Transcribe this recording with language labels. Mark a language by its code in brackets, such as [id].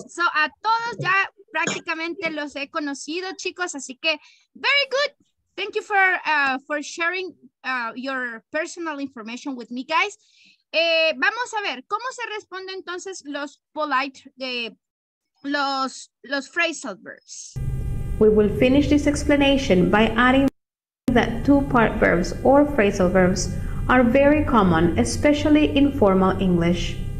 [es] So, a todos ya prácticamente los he conocido, chicos. Así que, [en] very good. Thank you for sharing your personal information with me, guys. [es] Vamos a ver, ¿cómo se responde entonces los polite, los phrasal verbs? [en] We will finish this explanation by adding that two-part verbs or phrasal verbs are very common, especially in formal English.